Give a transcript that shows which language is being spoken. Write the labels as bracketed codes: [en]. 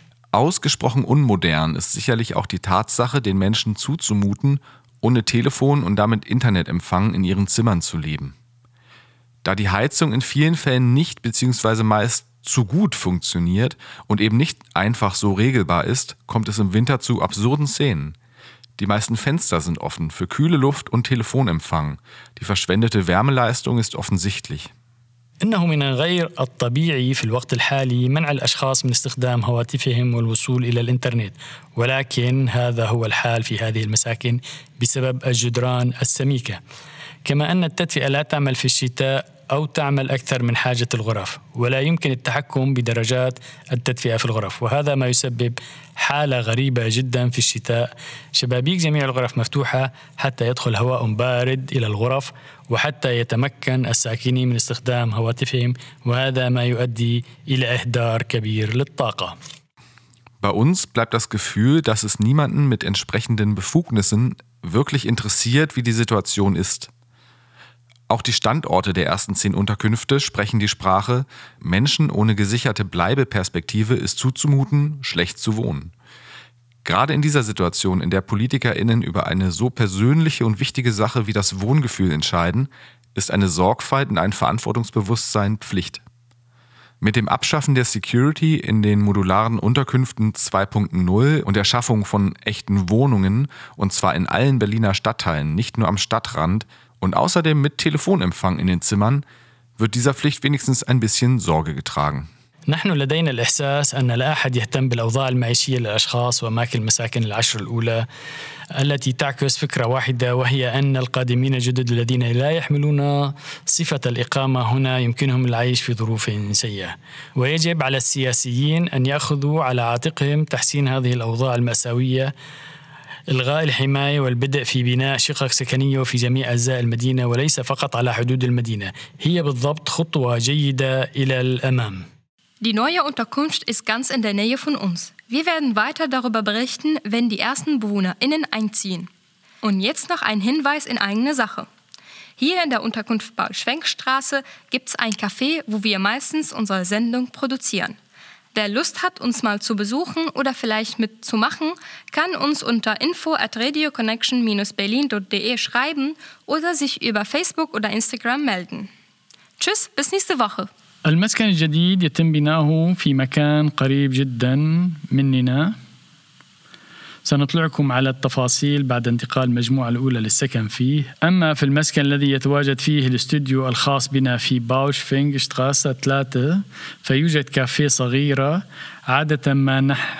[de] Ausgesprochen unmodern ist sicherlich auch die Tatsache, den Menschen zuzumuten, ohne Telefon und damit Internetempfang in ihren Zimmern zu leben. Da die Heizung in vielen Fällen nicht bzw. meist zu gut funktioniert und eben nicht einfach so regelbar ist, kommt es im Winter zu absurden Szenen. Die meisten Fenster sind offen für kühle Luft und Telefonempfang. Die verschwendete Wärmeleistung ist offensichtlich. [ar] إنه من غير الطبيعي في الوقت الحالي منع الأشخاص من استخدام هواتفهم والوصول إلى الإنترنت ولكن هذا هو الحال في هذه المساكن بسبب الجدران السميكة كما أن التدفئة لا تعمل في الشتاء أو تعمل أكثر من حاجة الغرف ولا يمكن التحكم بدرجات التدفئة في الغرف وهذا ما يسبب حالة غريبة جدا في الشتاء شبابيك جميع الغرف مفتوحة حتى يدخل هواء بارد إلى الغرف وحتى يتمكن الساكنين من استخدام هواتفهم وهذا ما يؤدي إلى إهدار كبير للطاقة. [de] Bei uns bleibt das Gefühl, dass es niemanden mit entsprechenden Befugnissen wirklich interessiert, wie die Situation ist. Auch die Standorte der ersten 10 Unterkünfte sprechen die Sprache, Menschen ohne gesicherte Bleibeperspektive ist zuzumuten, schlecht zu wohnen. Gerade in dieser Situation, in der PolitikerInnen über eine so persönliche und wichtige Sache wie das Wohngefühl entscheiden, ist eine Sorgfalt und ein Verantwortungsbewusstsein Pflicht. Mit dem Abschaffen der Security in den modularen Unterkünften 2.0 und der Schaffung von echten Wohnungen, und zwar in allen Berliner Stadtteilen, nicht nur am Stadtrand, und außerdem mit Telefonempfang in den Zimmern, wird dieser Pflicht wenigstens ein bisschen Sorge getragen. [ar] نحن لدينا الإحساس أن لا أحد يهتم بالأوضاع المعيشية للأشخاص وأماكن المساكن العشر الأولى التي تعكس فكرة واحدة وهي أن القادمين الجدد الذين لا يحملون صفة الإقامة هنا يمكنهم العيش في ظروف سيئة ويجب على السياسيين أن يأخذوا على عاتقهم تحسين هذه الأوضاع المأساوية إلغاء الحماية والبدء في بناء شقق سكنية في جميع أجزاء المدينة وليس فقط على حدود المدينة هي بالضبط خطوة جيدة إلى الأمام. [de] Die neue Unterkunft ist ganz in der Nähe von uns. Wir werden weiter darüber berichten, wenn die ersten BewohnerInnen einziehen. Und jetzt noch ein Hinweis in eigene Sache. Hier in der Unterkunft Paul-Schwenk-Straße gibt es ein Café, wo wir meistens unsere Sendung produzieren. Wer Lust hat, uns mal zu besuchen oder vielleicht mitzumachen, kann uns unter info@radioconnection-berlin.de schreiben oder sich über Facebook oder Instagram melden. Tschüss, bis nächste Woche! [ar] المسكن الجديد يتم بناؤه في مكان قريب جدا مننا سنطلعكم على التفاصيل بعد انتقال المجموعة الأولى للسكن فيه أما في المسكن الذي يتواجد فيه الاستوديو الخاص بنا في باوشفينغ شتراسة 3 فيوجد كافيه صغيرة عادة ما